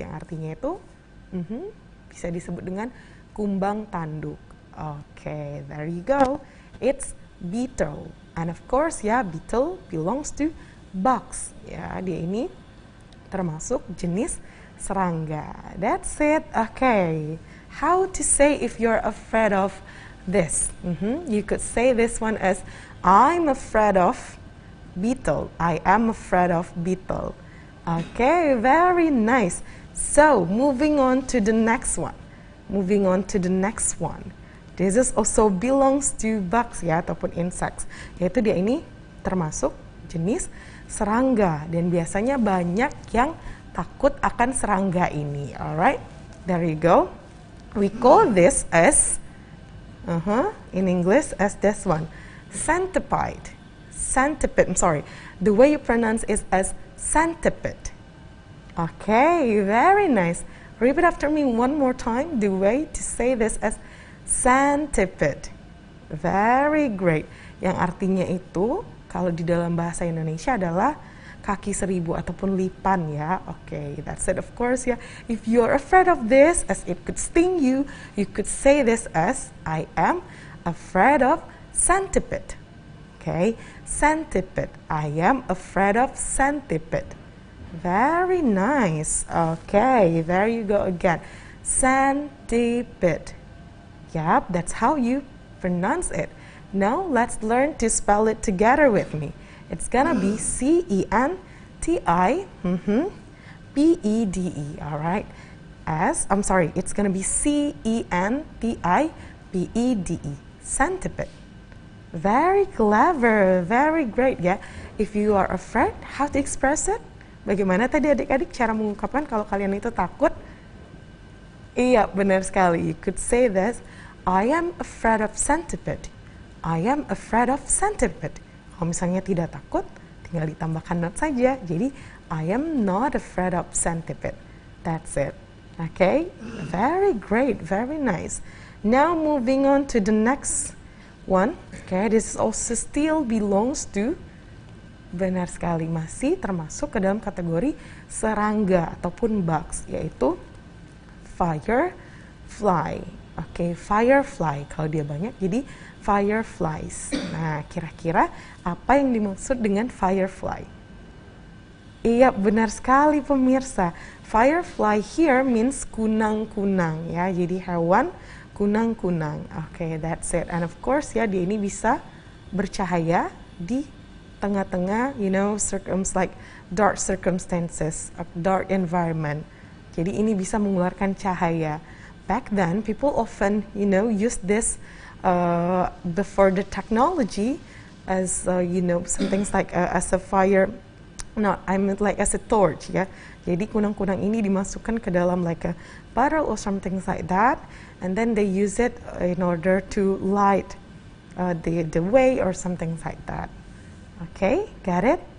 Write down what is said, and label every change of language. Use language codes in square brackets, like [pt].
[id] Yang artinya itu bisa disebut dengan kumbang tanduk. [en] Okay, there you go. It's beetle. And of course, yeah, beetle belongs to bugs. [id] Yeah, dia ini termasuk jenis serangga. [en] That's it. Okay. How to say if you're afraid of this? Mm-hmm. You could say this one as I'm afraid of beetle. I am afraid of beetle. Okay, very nice. So, moving on to the next one. Moving on to the next one. This is also belongs to bugs, ya, ataupun insects. [id] Yaitu dia ini termasuk jenis serangga. Dan biasanya banyak yang takut akan serangga ini. [en] Alright, there you go. We call this as, in English, as this one. Centipede. Centipede, I'm sorry. The way you pronounce is as centipede. Okay, very nice. Repeat after me one more time. The way to say this as centipede. Very great. [id] Yang artinya itu, kalau di dalam bahasa Indonesia adalah kaki seribu ataupun lipan, ya. [en] Okay, that's it, of course, ya. If you're afraid of this, as it could sting you, you could say this as I am afraid of centipede. Okay, centipede. I am afraid of centipede. Very nice. Okay, there you go again. Centipede. Yep, that's how you pronounce it. Now, let's learn to spell it together with me. It's gonna be C-E-N-T-I, P-E-D-E, alright? It's gonna be C-E-N-T-I-P-E-D-E, centipede. Very clever, very great, ya. If you are afraid, how to express it? [id] Bagaimana tadi adik-adik cara mengungkapkan kalau kalian itu takut? Iya, benar sekali. [en] You could say this, I am afraid of centipede. I am afraid of centipede. [id] Kalau misalnya tidak takut, tinggal ditambahkan not saja. [en] Jadi, I am not afraid of centipede. That's it. Okay? Very great. Very nice. Now, moving on to the next one. Okay, this also still belongs to [id] Benar sekali, masih termasuk ke dalam kategori serangga ataupun bugs, yaitu firefly. Oke, firefly, kalau dia banyak jadi fireflies. Nah, kira-kira apa yang dimaksud dengan firefly? Iya, benar sekali pemirsa. Firefly here means kunang-kunang ya. Jadi hewan kunang-kunang. Oke, that's it. [en] And of course ya, [id] dia ini bisa bercahaya di tengah-tengah, [en] you know, dark circumstances, a dark environment. [id] Jadi ini bisa mengeluarkan cahaya. [en] Back then, people often, you know, use this before the technology as you know, something like as a fire. No, I mean like as a torch, ya. Yeah? [id] Jadi kunang-kunang ini dimasukkan ke dalam [en] like a barrel or something like that, and then they use it in order to light the way or something like that. Okay, got it?